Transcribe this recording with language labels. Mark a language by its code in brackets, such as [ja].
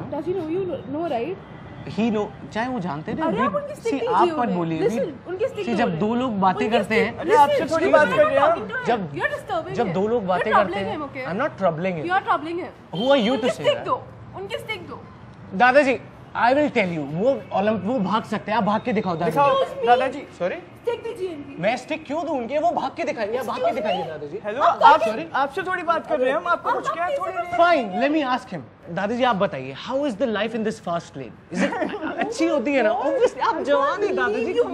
[hi] दो लोग जब दो लोग बातें करते हैं, जब दो लोग बातें करते हैं, [en] I'm not troubling him. You are troubling him. Who are you to say that? [hi] उनके स्टिक दो। [en] दादाजी, I will tell you. [hi] वो भाग सकते हैं, आप भाग के दिखाओ दादाजी। दादाजी, [en] sorry. [hi] स्टिक दीजिए इनकी। मैं स्टिक क्यों दूँ उनके? वो भाग के दिखाइए, आप भाग के दिखाइए दादाजी। [en] Hello. [hi] आप [en] sorry. [hi] आपसे थोड़ी बात कर रहे हैं हम, आपको कुछ क्या है थोड़ी? [en] Fine. Let me ask him. [hi] दादाजी आप बताइए, [en] How is the life in this fast lane? Is it [hi] अच्छी होती है ना? [en] obviously [hi] आप जवान हैं दादाजी,